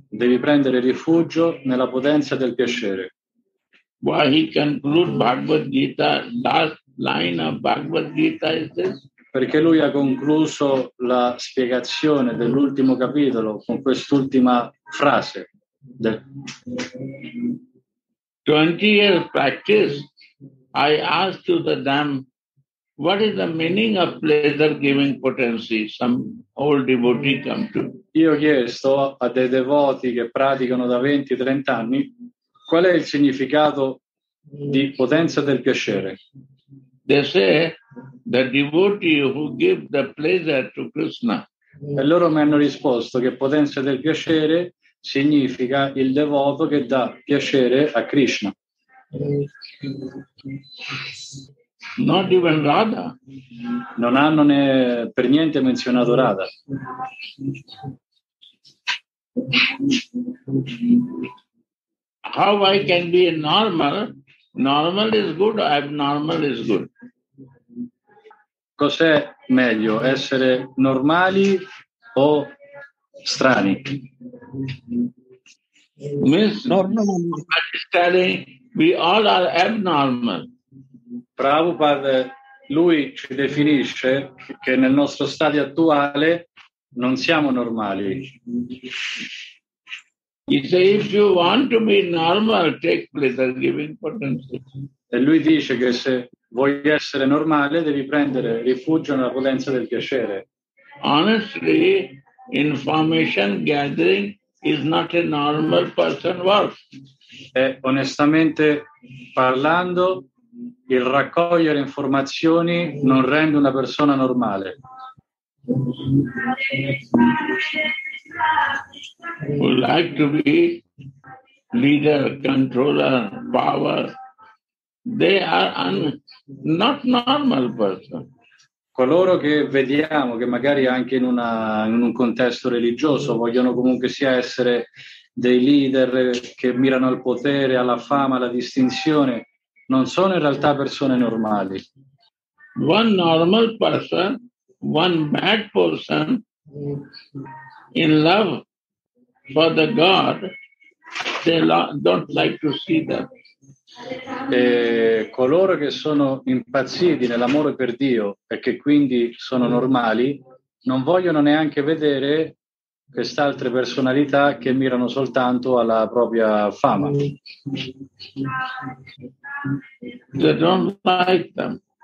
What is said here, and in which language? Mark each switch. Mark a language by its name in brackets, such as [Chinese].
[Italian] Devi prendere rifugio nella potenza del piacere. [English] Why he conclude Bhagavad Gita, last line of Bhagavad Gita is this? [Italian] Perché lui ha concluso la spiegazione dell'ultimo capitolo con quest'ultima frase. [English] 20 years practice, I asked to the dam, what is the meaning of pleasure giving potency? Some old devotee come to. [Italian] Io ho chiesto a dei devoti che praticano da 20-30 anni, qual è il significato di potenza del piacere? [English] They say, the devotee who give the pleasure to Krishna. [Italian] E loro mi hanno risposto che potenza del piacere significa il devoto che dà piacere a Krishna. [English] Not even Radha. [Italian] Non hanno né per niente menzionato Radha. [English] How I can be normal? Normal is good, abnormal is good. [Italian] Cos'è meglio, essere normali o strani? [English] Miss Prabhupada is telling we all are abnormal. [Italian] Prabhupada, lui ci definisce che nel nostro stato attuale non siamo normali. [English] He says if you want to be normal, take pleasure giving potency. [Italian] E lui dice che se vuoi essere normale, devi prendere rifugio nella potenza del piacere. [English] Honestly, information gathering is not a normal person work. [Italian] E onestamente parlando, il raccogliere informazioni non rende una persona normale. [English] Would like to be leader, controller, power. They are not normal person. [Italian] Coloro che vediamo, che magari anche in un contesto religioso vogliono comunque sia essere dei leader che mirano al potere, alla fama, alla distinzione, non sono in realtà persone normali. [English] One normal person, one bad person in love for the God, they don't like to see them. [Italian] E coloro che sono impazziti nell'amore per Dio e che quindi sono normali non vogliono neanche vedere quest'altre personalità che mirano soltanto alla propria fama. [English] They don't like them.